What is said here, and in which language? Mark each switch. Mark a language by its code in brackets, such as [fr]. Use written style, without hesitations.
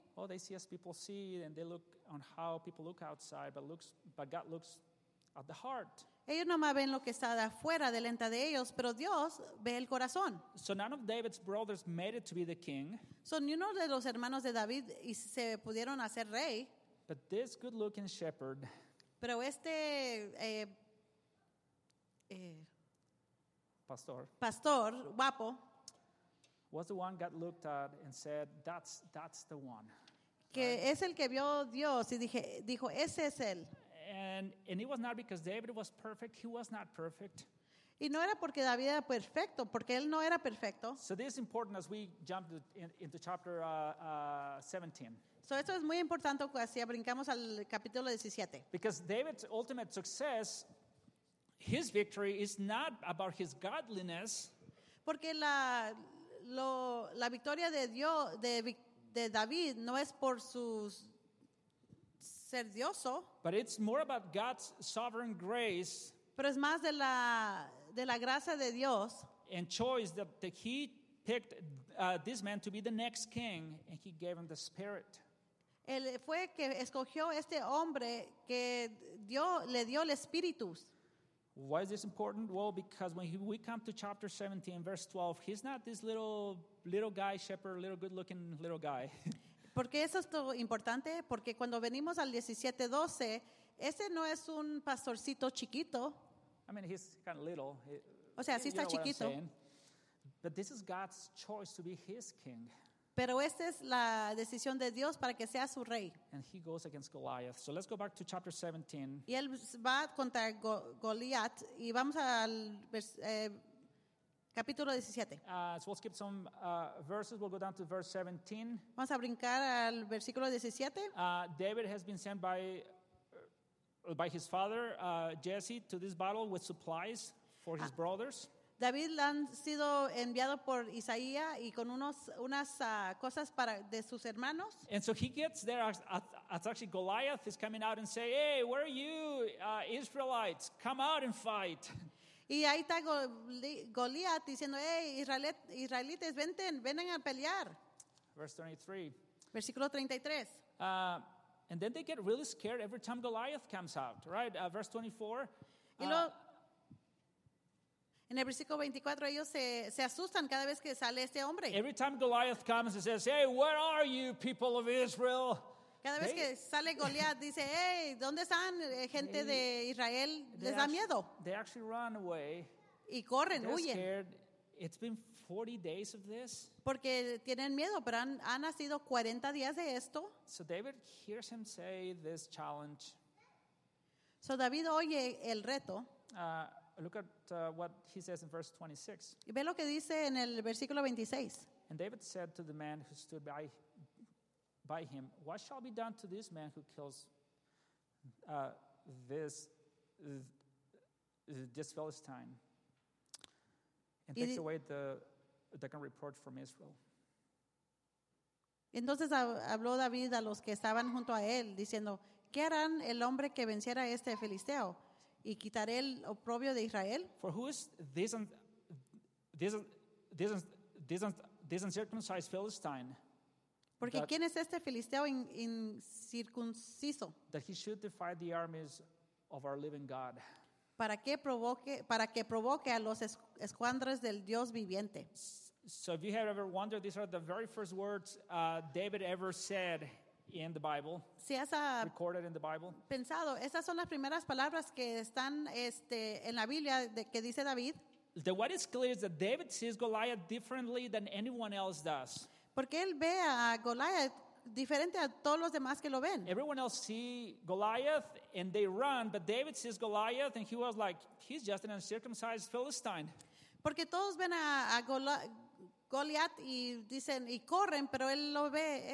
[en] Well, they see as people see and they look on how people look outside, but God looks at the heart. [es] Ellos no más ven lo que está de afuera de lente de ellos, pero Dios ve el corazón. [en] So none of David's brothers made it to be the king. [es] So ni uno de los hermanos de David se pudieron hacer rey. [en] But this good-looking shepherd. [es] Pero este pastor guapo [en] was the one God looked at and said, "That's the one." [es] Que es el que vio Dios y dijo ese es él. [en] And it was not because David was perfect. He was not perfect. [es] Y no era porque David era perfecto, porque él no era perfecto. [en] So this is important as we jump into chapter 17. [es] So esto es muy importante así brincamos al capítulo 17. [en] Because David's ultimate success, his victory, is not about his godliness. [es] Porque la victoria de Dios de David no es por sus ser dioso. [en] But it's more about God's sovereign grace. [es] Pero es más de la gracia de Dios. [en] And choice that he picked this man to be the next king, and he gave him the spirit. [es] Él fue que escogió este hombre que le dio el espíritu. [en] Why is this important? Well, because when we come to chapter 17, verse 12, he's not this little guy shepherd, little good-looking little guy. [es] ¿Por qué eso es todo importante? Porque cuando venimos al 17:12, ese no es un pastorcito chiquito. [en] I mean, he's kind of little. [es] O sea, sí está chiquito. [en] But this is God's choice to be his king. [es] Pero esta es la decisión de Dios para que sea su rey. [en] And he goes against Goliath. So let's go back to chapter 17. [es] Y él va contra Goliath y vamos al capítulo 17. [en] So we'll skip some verses. We'll go down to verse 17. [es] Vamos a brincar al versículo 17. [en] David has been sent by by his father, Jesse, to this battle with supplies for his brothers. [es] David le han sido enviado por Isaías y con unas cosas para de sus hermanos. [en] And so he gets there. It's actually Goliath is coming out and say, "Hey, where are you, Israelites? Come out and fight." [es] Y ahí está Goliath diciendo, "Hey, israelites, vengan a pelear." [en] Verse 33. [es] Versículo 33. [en] And then they get really scared every time Goliath comes out, right? Verse 24. [es] En el versículo 24 ellos se asustan cada vez que sale este hombre. [en] Every time Goliath comes and says, "Hey, where are you, people of Israel?" [es] Cada vez que sale Goliath dice, "Hey, ¿dónde están gente de Israel?" Les da miedo. [en] They actually run away. [es] Y corren, huyen. [en] Scared. It's been 40 days of this. [es] Porque tienen miedo, pero han nacido 40 días de esto. [en] So David hears him say this challenge. [es] So David oye el reto. [en] Look at what he says in verse 26. [es] Y ve lo que dice en el versículo 26. [en] And David said to the man who stood by him, "What shall be done to this man who kills this Philistine and takes away the second report from Israel?" [es] Entonces habló David a los que estaban junto a él, diciendo, "¿Qué harán el hombre que venciera este filisteo y quitaré el oprobio de Israel?" [en] For who is this uncircumcised Philistine? [es] Porque ¿quién es este filisteo incircunciso? [en] That he should defy the armies of our living God. [es] Para que provoque a los escuadras del Dios viviente. [en] So if you have ever wondered, these are the very first words David ever said in the Bible, [es] si has [en] recorded in the Bible. [es] Pensado, esas son las primeras palabras que están en la Biblia que dice David. [en] The what is clear is that David sees Goliath differently than anyone else does. [es] Porque él ve a Goliath diferente a todos los demás que lo ven. [en] Everyone else see Goliath and they run, but David sees Goliath and he was like, he's just an uncircumcised Philistine. [es] Porque todos ven a Goliat y dicen y corren, pero él lo ve.